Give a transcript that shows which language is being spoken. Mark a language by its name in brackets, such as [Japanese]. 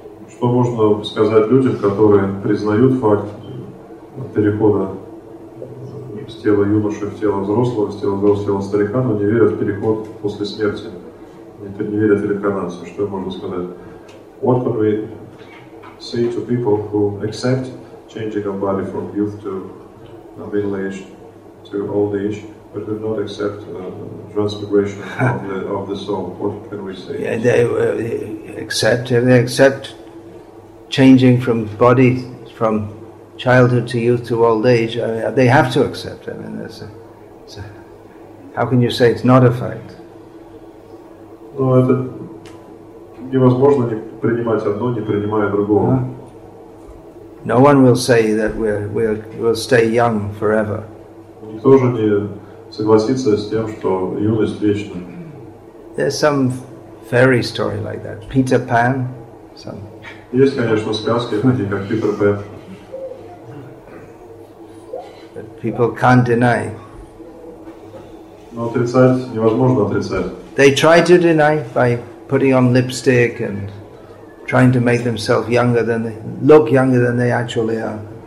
[Russian] Что можно сказать людям, которые признают факт перехода с тела юноши в тело взрослого, с тела взрослого в тело старика, но не верят в переход после смерти, не верят в реинкарнацию? Что можно сказать? [English] What can we say to people who accept changing of body from youth to middle age to old age, but do not accept transmigration of the soul? What can we say? Yeah, they accept. They accept changing from body, from childhood to youth to old age. I mean, they have to accept. I mean, it's a, how can you say it's not a fact? [Russian] No, это невозможно не принимать одно, не принимая другого. [English] No one will say that we'll stay young forever. [Russian] Никто же не согласится с тем, что юность вечна. [English] There's some fairy story like that. Peter Pan, some. [Russian] Есть, конечно, сказки такие, как Питер Пэн. [English] But people can't deny. [Russian] Но отрицать невозможно отрицать. [English] They try to deny by putting on lipstick and trying to make themselves younger than they look younger than they actually are.